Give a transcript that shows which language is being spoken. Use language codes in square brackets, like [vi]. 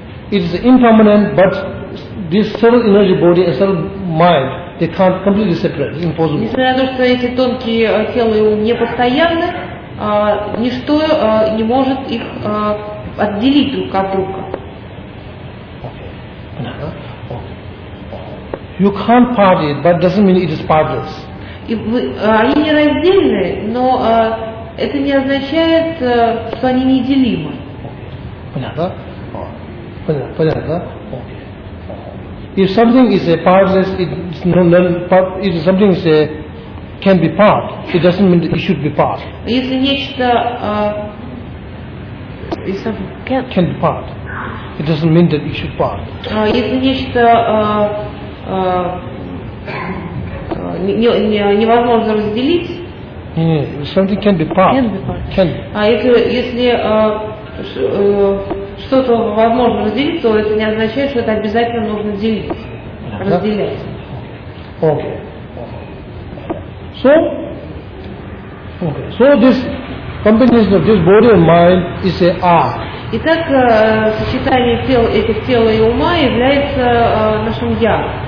[en] It is impermanent, but this subtle energy body and subtle mind, they can't completely separate. It's impossible. [ru] Несмотря на то, что эти тонкие тело и ум непостоянны, ничто не может их отделить друг от друга. [en] Okay. Okay. You can't part it, but doesn't mean it is partless. [ru] Они нераздельны, но это не означает, что они неделимы. Понятно? Понятно. [en] If something is a partless, if something is a can be part, it doesn't mean it should be part. [ru] Если нечто [en] can be part, it doesn't mean that it should part. [ru] Если нечто невозможно разделить. [en] Нет, something can be part. Can be part. [ru] Что-то возможно разделить, то это не означает, что это обязательно нужно делить, разделять. [en] Okay. So, this combination of this body and mind is a R. [ru] Итак, сочетание тел этих тела и ума является нашим я.